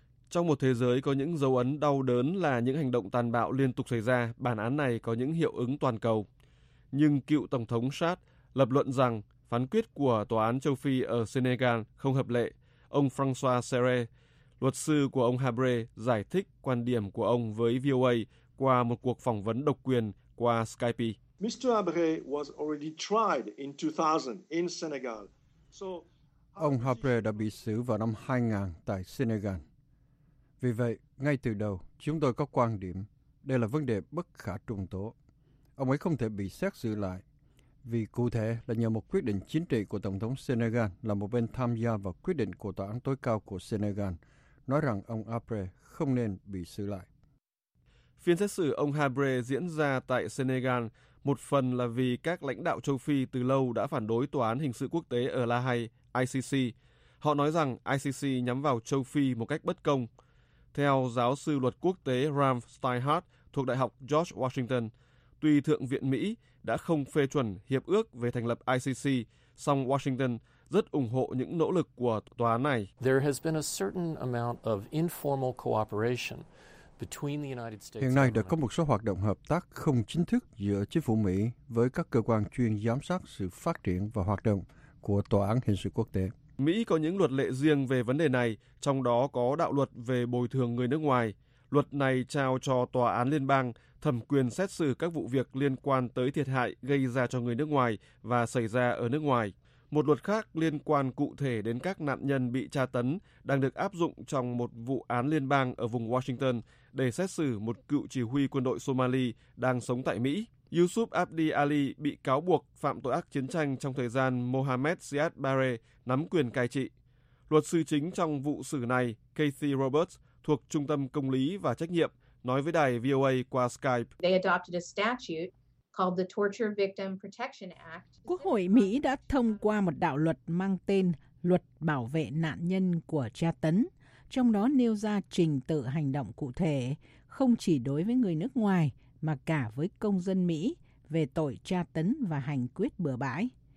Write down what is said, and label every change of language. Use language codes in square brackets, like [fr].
[vi] Trong một thế giới có những dấu ấn đau đớn là những hành động tàn bạo liên tục xảy ra, bản án này có những hiệu ứng toàn cầu. Nhưng cựu Tổng thống Chad lập luận rằng phán quyết của Tòa án Châu Phi ở Senegal không hợp lệ. Ông François Serre, luật sư của ông Habre, giải thích quan điểm của ông với VOA qua một cuộc phỏng vấn độc quyền qua Skype. [en] Mr. Habre was already tried in 2000 in Senegal. [vi] Ông Habre đã bị xử vào năm 2000 tại Senegal. Vì vậy, ngay từ đầu, chúng tôi có quan điểm đây là vấn đề bất khả trùng tố. Ông ấy không thể bị xét xử lại, vì cụ thể là nhờ một quyết định chính trị của Tổng thống Senegal là một bên tham gia vào quyết định của Tòa án tối cao của Senegal, nói rằng ông Habre không nên bị xử lại. Phiên xét xử ông Habre diễn ra tại Senegal một phần là vì các lãnh đạo châu Phi từ lâu đã phản đối Tòa án Hình sự Quốc tế ở La Haye, ICC. Họ nói rằng ICC nhắm vào châu Phi một cách bất công. Theo giáo sư luật quốc tế Ralph Steinhardt thuộc Đại học George Washington, tuy Thượng viện Mỹ đã không phê chuẩn hiệp ước về thành lập ICC, song Washington rất ủng hộ những nỗ lực của tòa án này. [en] There has been a certain amount of informal cooperation between the United States. [vi] Hiện nay đã có một số hoạt động hợp tác không chính thức giữa chính phủ Mỹ với các cơ quan chuyên giám sát sự phát triển và hoạt động của Tòa án Hình sự Quốc tế. Mỹ có những luật lệ riêng về vấn đề này, trong đó có đạo luật về bồi thường người nước ngoài. Luật này trao cho Tòa án Liên bang thẩm quyền xét xử các vụ việc liên quan tới thiệt hại gây ra cho người nước ngoài và xảy ra ở nước ngoài. Một luật khác liên quan cụ thể đến các nạn nhân bị tra tấn đang được áp dụng trong một vụ án liên bang ở vùng Washington để xét xử một cựu chỉ huy quân đội Somali đang sống tại Mỹ. Yusuf Abdi Ali bị cáo buộc phạm tội ác chiến tranh trong thời gian Mohamed Siad Barre nắm quyền cai trị. Luật sư chính trong vụ xử này, Kathy Roberts, thuộc Trung tâm Công lý và Trách nhiệm, nói với đài VOA qua Skype. [en] They adopted a statute called the Torture Victim Protection Act. [vi] Quốc hội Mỹ đã thông qua một đạo luật mang tên Luật Bảo vệ Nạn nhân của Tra tấn, trong đó nêu ra trình tự hành động cụ thể, không chỉ đối với người nước ngoài, mà cả với công dân Mỹ về tội tra tấn và hành quyết bừa bãi.